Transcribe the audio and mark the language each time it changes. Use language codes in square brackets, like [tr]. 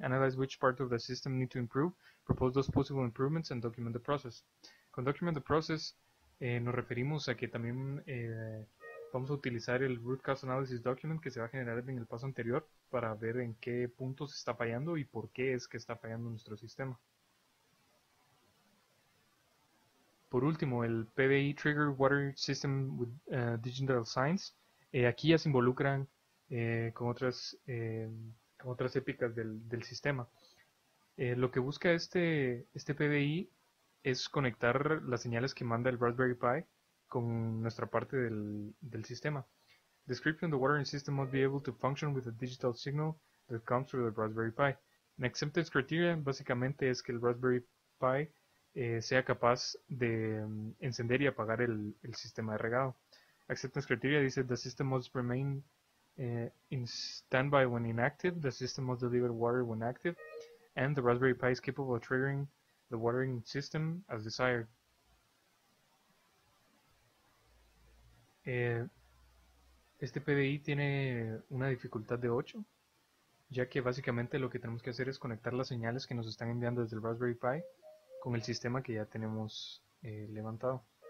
[en] Analyze which part of the system need to improve. Propose those possible improvements and document the process. [es] Con document the process nos referimos a que también vamos a utilizar el root cause analysis document que se va a generar en el paso anterior para ver en qué punto se está fallando y por qué es que está fallando nuestro sistema. Por último, el PBI Trigger Water System with Digital Signs. Aquí ya se involucran con otras épicas del sistema. Lo que busca este PBI es conectar las señales que manda el Raspberry Pi con nuestra parte del sistema. [en] Description: The watering system must be able to function with a digital signal that comes through the Raspberry Pi. [es] An acceptance criteria básicamente es que el Raspberry Pi sea capaz de encender y apagar el sistema de regado. [en] Acceptance criteria dice: The system must remain in standby when inactive. The system must deliver water when active. And the Raspberry Pi is capable of triggering the watering system as desired. [es] Este PBI tiene una dificultad de 8, ya que básicamente lo que tenemos que hacer es conectar las señales que nos están enviando desde el Raspberry Pi con el sistema que ya tenemos levantado.